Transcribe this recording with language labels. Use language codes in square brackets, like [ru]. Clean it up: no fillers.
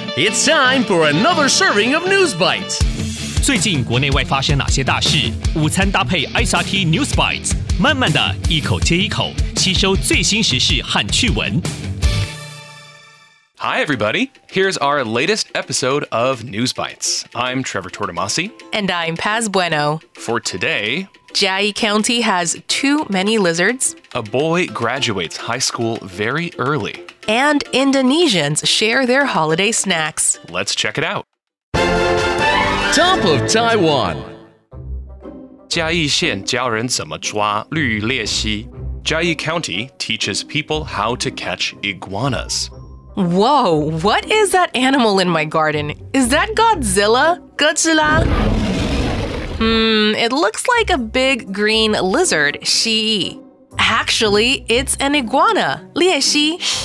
[en] It's time for another serving of News Bites. [zh] 最近国内外发生哪些大事？午餐搭配 SRT News Bites， 慢慢的一口接一口，吸收最新时事和趣闻。 [en] Hi, everybody. Here's our latest episode of News Bites. I'm Trevor Tortomasi. And I'm Paz Bueno. For today, Chiayi County has too many lizards. A boy graduates high school very early. And Indonesians share their holiday snacks. Let's check it out. Top of Taiwan. [zh] 嘉義縣教人怎麼抓綠鬣蜥。 [en] Chiayi County teaches people how to catch iguanas. Whoa, what is that animal in my garden? Is that Godzilla? Godzilla? It looks like a big green lizard, Chiayi. Actually, it's an iguana, 鬣蜥.